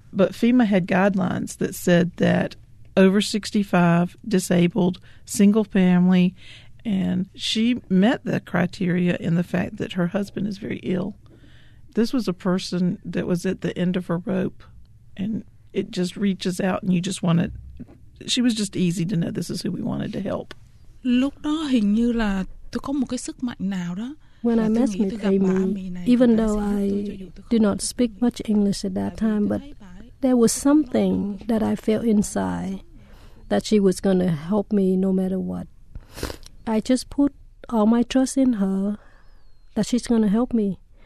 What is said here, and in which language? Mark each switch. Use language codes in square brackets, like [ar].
[en] But FEMA had guidelines that said that over 65, disabled, single family, and she met the criteria in the fact that her husband is very ill. This was a person that was at the end of her rope, and it just reaches out, and you just want to... She was just easy to know this is who we wanted to help. [vi] Lúc đó hình như là tôi có một cái sức mạnh nào đó. [en] When I met Miss Amy, even though I do not speak much English at that time, but there was something that I felt inside that she was going to help me no matter what. I just put all my trust in her that she's going to help me.